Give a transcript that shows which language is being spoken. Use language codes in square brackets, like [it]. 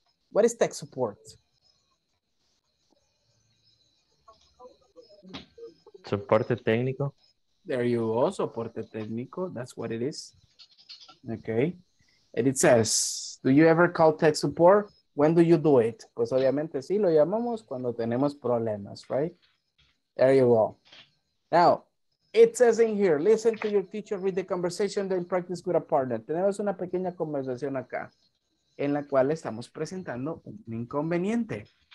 [en] What is tech support? [es] Soporte técnico. [en] There you go, [es] soporte técnico, [en] that's what it is. Okay, and it says, do you ever call tech support? When do you do it? [es] Pues obviamente sí, lo llamamos cuando tenemos problemas, [en] right? There you go. Now, it says in here, listen to your teacher, read the conversation, then practice with a partner. [es] Tenemos una pequeña conversación acá en la cual estamos presentando un inconveniente.